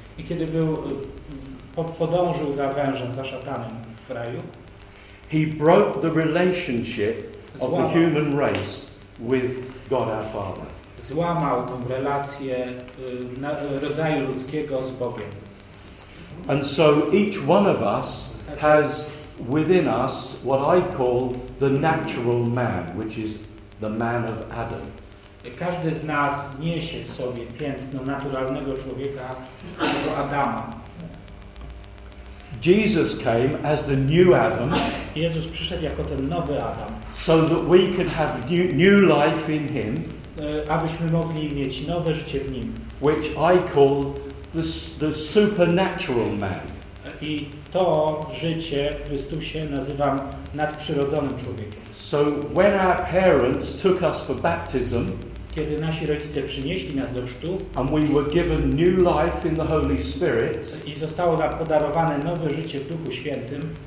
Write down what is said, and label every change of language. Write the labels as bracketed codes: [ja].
[pl] I kiedy był, podążył za wężem, za szatanem w raju, [en] he broke the relationship of the human race with God our Father. [pl] Złamał tą relację rodzaju ludzkiego z Bogiem. [en] And so each one of us has within us what I call the natural man, which is the man of Adam. [pl] Każdy z nas niesie w sobie piętno naturalnego człowieka, tego Adama. [en] Jesus came as the new Adam. [pl] Jezus przyszedł jako ten nowy Adam. [en] So that we could have new life in him. [pl] Abyśmy mogli mieć nowe życie w nim. [en] Which I call the supernatural man. [pl] I to życie w Chrystusie nazywam nadprzyrodzonym człowiekiem. [en] So when our parents took us for baptism, [pl] kiedy nasi rodzice przynieśli nas do chrztu, [en] and we were given new life in the Holy Spirit, [pl] i zostało nam podarowane nowe życie w Duchu Świętym,